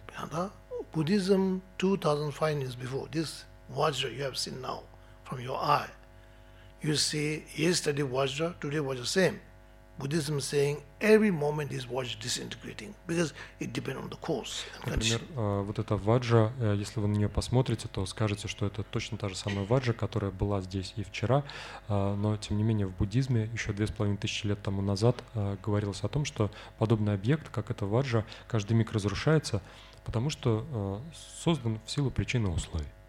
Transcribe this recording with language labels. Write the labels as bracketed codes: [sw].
[ru] Понятно? [en] Buddhism 2,500 years before, this vajra you have seen now from your eye. You see yesterday vajra, today was the same. Buddhism is saying every moment this vajra disintegrating because it depends on the cause. [ru] Например, вот эта ваджа, если вы на нее посмотрите, то скажете, что это точно та же самая ваджа, которая была здесь и вчера. Но тем не менее в буддизме еще 2500 лет тому назад говорилось о том, что подобный объект, как эта ваджа, каждый миг разрушается, потому что создан в силу причин и условий.